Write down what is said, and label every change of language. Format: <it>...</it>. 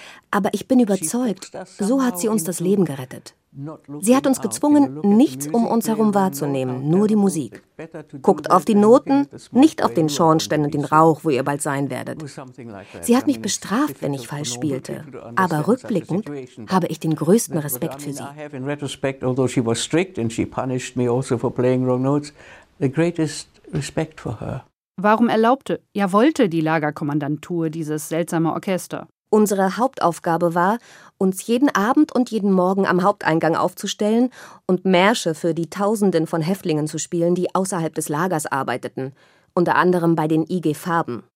<de>Aber ich bin überzeugt, so hat sie uns das Leben gerettet. Sie hat uns gezwungen, nichts um uns herum wahrzunehmen, nur die Musik. Guckt auf die Noten, nicht auf den Schornstein und den Rauch, wo ihr bald sein werdet. Sie hat mich bestraft, wenn ich falsch spielte. Aber rückblickend habe ich den größten Respekt für sie.</de> <en>In retrospect, although she was strict and she punished me also for playing wrong notes, the greatest respect for her.</en> <de>Warum erlaubte, ja wollte die Lagerkommandantur dieses seltsame Orchester? Unsere Hauptaufgabe war, uns jeden Abend und jeden Morgen am Haupteingang aufzustellen und Märsche für die Tausenden von Häftlingen zu spielen, die außerhalb des Lagers arbeiteten, unter anderem bei den IG Farben.</de>